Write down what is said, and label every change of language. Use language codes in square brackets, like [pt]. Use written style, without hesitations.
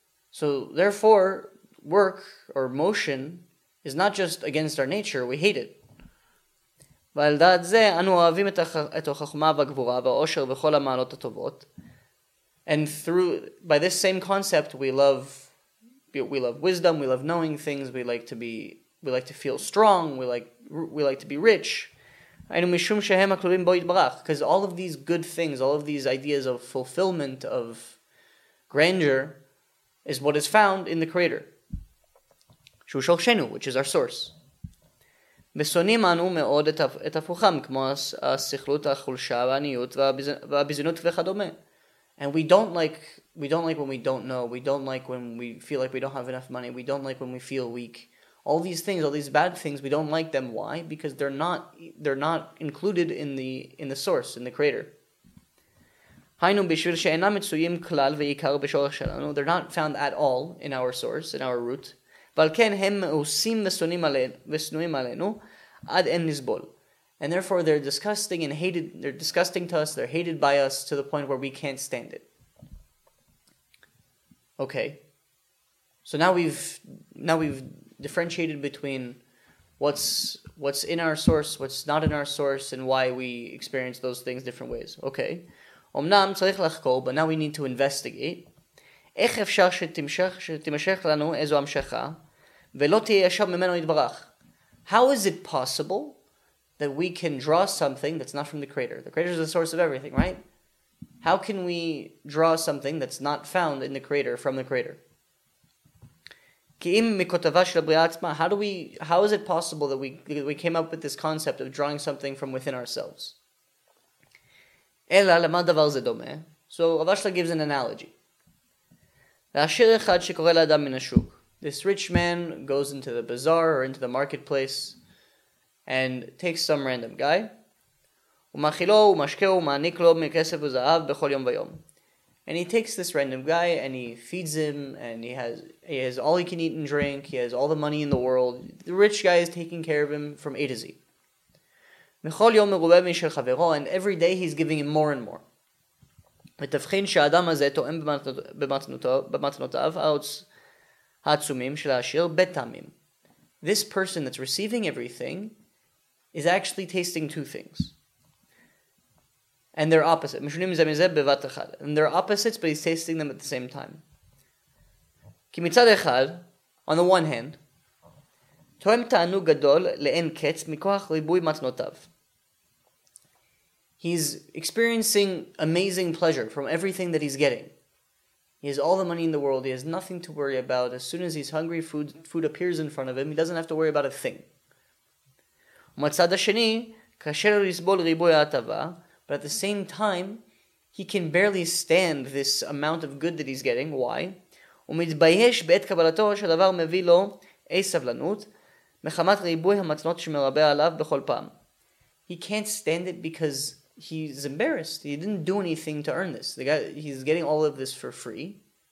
[en] So therefore, work or motion is not just against our nature, we hate it. [he] ועל דעת זה אנו אוהבים את החכמה והגבורה והאושר וכל המעלות הטובות. [en] And through, by this same concept, we love wisdom, we love knowing things, we like to feel strong, we like to be rich. [he] היינו משום שהם הכלולים בו יתברך. [en] Because all of these good things, all of these ideas of fulfillment, of grandeur, is what is found in the Creator. שהוא שורשנו, which is our source. [he] ושונאים אנו מאוד את הפוכם, כמו השכלות, החולשה, והעניות, והביזנות וכדומה. [en] And we don't like when we don't know. We don't like when we feel like we don't have enough money. We don't like when we feel weak. All these things, all these bad things, we don't like them. Why? Because they're not included in the source, in the Creator. [he] היינו בשביל שאינם מצויים כלל ועיקר בשורש שלנו. [en] They're not found at all in our source, in our root. [he] ועל כן הם מאוסים ושנואים עלינו עד אין נסבול. [en] And therefore they're disgusting and hated, they're disgusting to us, they're hated by us to the point where we can't stand it. Okay. So now we've differentiated between what's in our source, what's not in our source, and why we experience those things different ways. Okay. [he] אמנם צריך לחקור, [en] but now we need to investigate. [he] איך אפשר שתמשך לנו איזו המשכה, ולא תהיה ישר ממנו יתברך? [en] How is it possible that we can draw something that's not from the Creator? The Creator is the source of everything, right? How can we draw something that's not found in the Creator, from the Creator? [he] כי אם מכותבה של הבריאה עצמה, [en] how is it possible that we came up with this concept of drawing something from within ourselves? [he] אלא למה דבר זה דומה? [en] So רב אשלה gives an analogy. [he] לעשיר אחד שקורא לאדם מן השוק. [en] This rich man goes into the bazaar or into the marketplace and takes some random guy. [he] ומאכילו ומשקהו ומעניק לו מכסף וזהב בכל יום ויום. [en] And he takes this random guy and he feeds him and he has all he can eat and drink, he has all the money in the world. The rich guy is taking care of him from A to Z. [he] מכל יום מרובה משל חברו, [en] and every day he's giving him more and more. [he] ותבחין שהאדם הזה תואם במתנותיו העצומים של העשיר בטעמים. [en] This person that's receiving everything is actually tasting two things. And they're opposite. [he] משונים זה מזה בבת אחד. [en] And they're opposites, but he's tasting them at the same time. [he] כי מצד אחד, [en] on the one hand, [he] תואם תענוג גדול לאין קץ מכוח ריבוי מתנותיו. [en] He's experiencing amazing pleasure from everything that he's getting. He has all the money in the world, he has nothing to worry about. As soon as he's hungry, food appears in front of him, he doesn't have to worry about a thing. [he] ומצד השני, קשה לו לסבול ריבוי ההטבה, [en] but at the same time, he can barely stand this amount of good that he's getting. Why? [he] ומתבייש בעת קבלתו שהדבר מביא לו אי סבלנות, מחמת ריבוי המתנות שמרבה עליו בכל פעם. [en] He can't stand it because he's embarrassed. He didn't do anything to earn this. The guy, he's getting all of this for free.